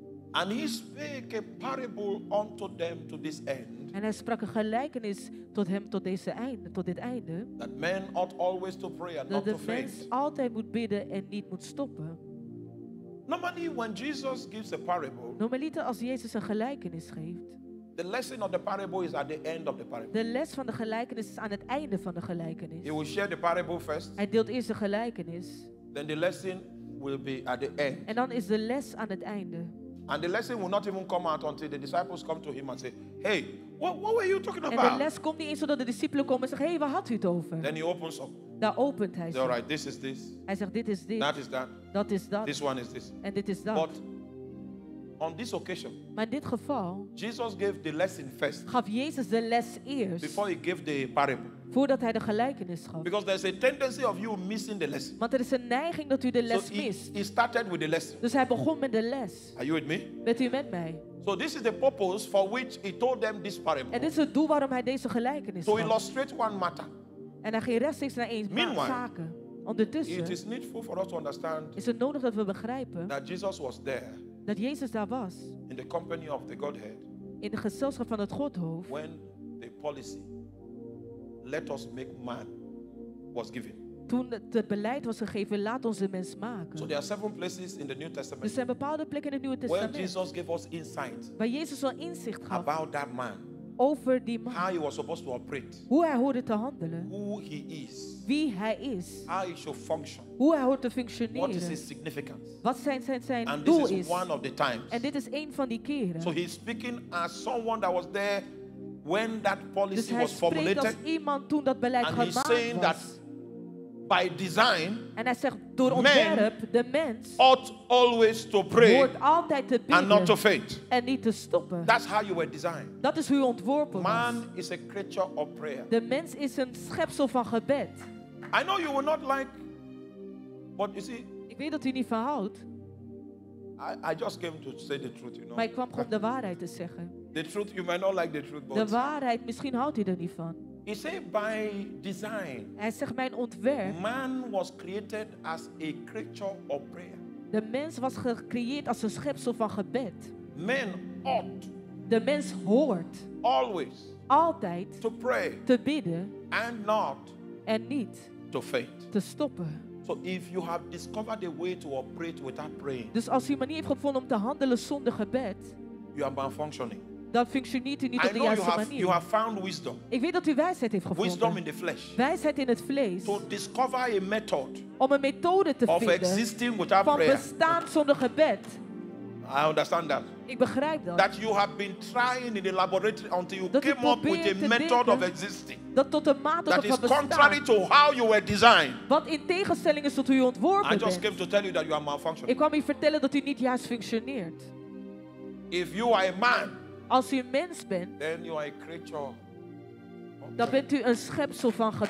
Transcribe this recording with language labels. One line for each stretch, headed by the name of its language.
English: And he spake a parable unto them to this end.
Dutch: En hij sprak een gelijkenis tot hem tot deze einde, tot dit einde.
English: That men ought always to pray and
Dutch: dat
English: not to faint.
Dutch: Dat de mens altijd moet bidden en niet moet stoppen.
English: Normally, when Jesus gives a parable.
Dutch: Normaliter als Jezus een gelijkenis geeft.
English: The lesson of the parable is at the end of the parable.
Dutch: De les van de gelijkenis is aan het einde van de gelijkenis.
English: He will share the parable first.
Dutch: Hij deelt eerst de gelijkenis.
English: Then the lesson will be at the end.
Dutch: En dan is de les aan het einde.
English: And the lesson will not even come out until the disciples come to him and say, "Hey, what were you talking about?"
Dutch: En de les komt niet eens zodat de discipelen komen en zeggen, "Hey, waar had u het over?"
English: Then he opens up.
Dutch: Daar opent hij.
English: All right, this is this.
Dutch: Hij zegt, dit is dit.
English: That is that.
Dutch: Dat is dat.
English: This one is this.
Dutch: En dit is dat.
English: But on this occasion,
Dutch: maar in dit geval,
English: Jesus gave the lesson first.
Dutch: Gaf Jezus de les eerst.
English: Before he gave the parable.
Dutch: Voordat hij de gelijkenis gaf.
English: Because there's a tendency of you missing the lesson.
Dutch: Want er is een neiging dat u de les mist.
English: He started with the lesson.
Dutch: Dus hij begon met de les.
English: Are you with me?
Dutch: Bent u met mij?
English: So this is the purpose for which he told them this parable.
Dutch: En dit is het doel waarom hij deze gelijkenis gaf.
English: To illustrate one matter.
Dutch: En hij ging rechtstreeks naar één zaken. Ondertussen.
English: It is needful for us to understand.
Dutch: Is het nodig dat we begrijpen.
English: That Jesus was there.
Dutch: Dat Jezus daar was.
English: In the company of the Godhead.
Dutch: In de gezelschap van het Godhoofd.
English: When the policy, let us make man, was given.
Dutch: Toen het beleid was gegeven, laat ons de mens maken.
English: So there are seven places in the New Testament.
Dutch: Er zijn bepaalde plekken in het Nieuwe Testament.
English: Where Jesus gave us insight.
Dutch: Waar Jezus ons inzicht gaf.
English: About that man.
Dutch: Over die man.
English: How he was supposed to operate.
Dutch: Hoe hij hoorde te handelen.
English: Who he is.
Dutch: Wie hij is.
English: How he should function.
Dutch: Hoe hij hoort te functioneren.
English: What is his significance?
Dutch: Wat zijn
English: and
Dutch: doel
English: this is,
Dutch: is.
English: One of the times.
Dutch: En dit is één van die keren.
English: So he's speaking as someone that was there when that policy
Dutch: dus
English: was formulated.
Dutch: Als iemand toen dat beleid
English: and
Dutch: gemaakt
English: he's saying
Dutch: was.
English: That by design.
Dutch: En hij zegt door ontwerp de mens
English: ought always to pray
Dutch: hoort altijd te bidden
English: and not to faint.
Dutch: En niet te stoppen.
English: That's how you were designed.
Dutch: Dat is hoe je ontworpen was.
English: Man is a creature of prayer.
Dutch: De mens is een schepsel van gebed.
English: I know you will not like, but you see,
Dutch: ik weet dat u niet van houdt.
English: I just came to say the truth, you know.
Dutch: Maar ik kwam gewoon de waarheid te zeggen.
English: The truth, you might not like the truth, but
Dutch: de waarheid, misschien houdt u er niet van.
English: He said by design.
Dutch: Hij zegt mijn ontwerp.
English: Man was created as a creature of prayer.
Dutch: De mens was gecreëerd als een schepsel van gebed.
English: Man ought.
Dutch: De mens hoort.
English: Always.
Dutch: Altijd.
English: To pray.
Dutch: Te bidden.
English: And not.
Dutch: En niet.
English: To faint.
Dutch: Te stoppen.
English: So if you have discovered a way to operate without praying,
Dutch: dus als je een manier hebt gevonden om te handelen zonder gebed,
English: you are malfunctioning.
Dutch: Dan functioneert u niet op de juiste manier.
English: You have found wisdom.
Dutch: Ik weet dat u wijsheid heeft gevonden.
English: Wisdom in the flesh.
Dutch: Wijsheid in het vlees.
English: To discover a method.
Dutch: Om een methode te vinden.
English: Of existing without prayer.
Dutch: Van bestaan zonder gebed.
English: I understand that.
Dutch: Ik begrijp dat.
English: That you have been trying in the laboratory until you
Dutch: dat
English: came up with a method of existing.
Dutch: Dat tot een mate
English: that
Dutch: tot
English: is contrary to how you were designed.
Dutch: Wat in tegenstelling is tot hoe je ontworpen bent.
English: I just
Dutch: bent.
English: Came to tell you that you are malfunctioning.
Dutch: Ik kwam u vertellen dat u niet juist functioneert.
English: If you are a man,
Dutch: als u een mens bent,
English: then you are a creature. Okay.
Dutch: Dan bent u een schepsel van gebed.